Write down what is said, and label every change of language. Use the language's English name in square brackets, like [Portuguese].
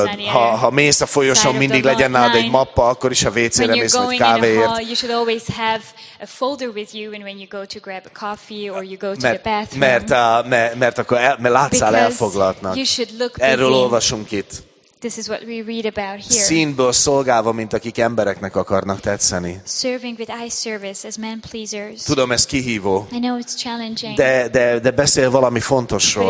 [Hungarian] Ha mész a folyosón, mindig legyen nálad egy mappa, akkor is, ha WC-re mész, vagy kávéért. [English] You should always have a folder with you, and when you go to grab a coffee or you go to the bathroom. [Hungarian] Mert akkor látszál elfoglaltnak. [English] You should look busy. [Hungarian] Erről olvasunk itt. [English] This is what we read about here. [Hungarian] Színből szolgálva, mint akik embereknek akarnak tetszeni. [English] Serving with eye service as men pleasers. [Hungarian] Tudom, ez kihívó. [English] I know it's challenging. [Hungarian] De beszél valami fontosról.